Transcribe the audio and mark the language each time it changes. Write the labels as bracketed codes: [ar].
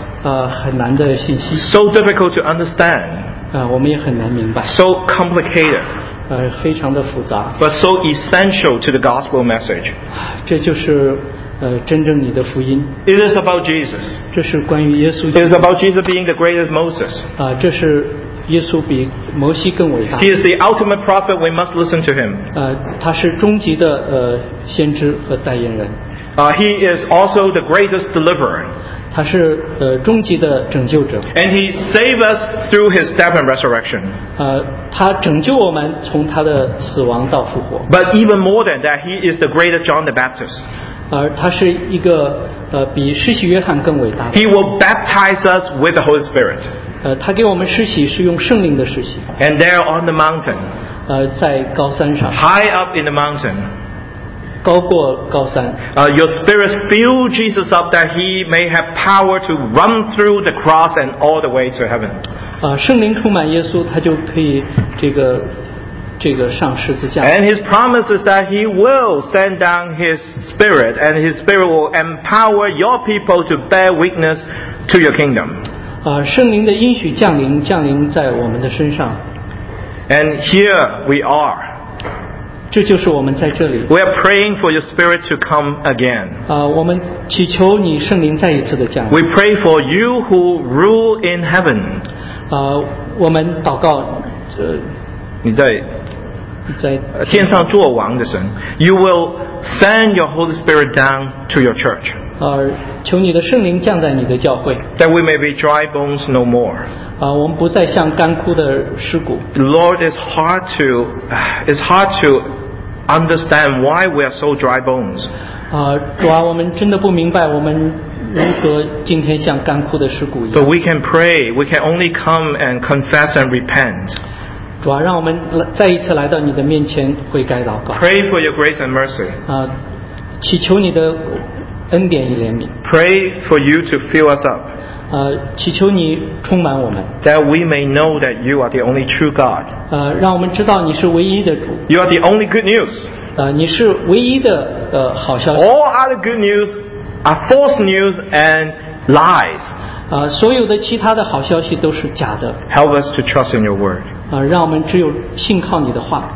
[en] so difficult to understand. So complicated. But so essential to the gospel message. [zh] 这就是 [en] It is about Jesus. [zh] 这是关于耶稣, [en] it is about Jesus being the greatest Moses. [zh] 这是耶稣比摩西更伟大, [en] he is the ultimate prophet, we must listen to him. [zh] 他是终极的, 先知和代言人, [en] he is also the greatest deliverer. [zh] 他是, [en] and he saved us through his death and resurrection. [zh] 他拯救我们从他的死亡到复活. [en] But even more than that, he is the greatest John the Baptist. [zh] 而他是一个, 比施洗约翰更伟大的, [en] he will baptize us with the Holy Spirit. [zh] 他给我们施洗是用圣灵的施洗, [en] and there on the mountain, [zh] 在高山上, [en] high up in the mountain, [zh] 高过高山, [en] your Spirit filled Jesus up that he may have power to run through the cross and all the way to heaven. [zh] 圣灵充满耶稣, 他就可以这个, [en] and his promise is that he will send down his Spirit, and his Spirit will empower your people to bear witness to your kingdom. [zh] 圣灵的应许降临在我们的身上, [en] and here we are. [zh] 这就是我们在这里, [en] we are praying for your Spirit to come again. [zh] 我们祈求你圣灵再一次的降临, [en] we pray for you who rule in heaven. [zh] 我们祷告, 你在 天上作王的神, [en] you will send your Holy Spirit down to your church. [zh] 求你的圣灵降在你的教会, [en] that we may be dry bones no more. [zh] 我们不再像干枯的尸骨. [en] Lord, it's hard to understand why we are so dry bones. [zh] 主啊,我们真的不明白我们如何今天像干枯的尸骨一样。 [en] But we can pray, we can only come and confess and repent. [zh] 主啊,让我们再一次来到你的面前悔改祷告。 [en] Pray for your grace and mercy. [zh] 祈求你的恩典与怜悯。 [en] Pray for you to fill us up. [zh] 祈求你充满我们。 [en] That we may know that you are the only true God. [zh] 让我们知道你是唯一的主。 [en] You are the only good news. [zh] 你是唯一的, 好消息。 [en] All other good news are false news and lies. [zh] 所有的其他的好消息都是假的。 [en] Help us to trust in your word. [zh] 让我们只有信靠你的话。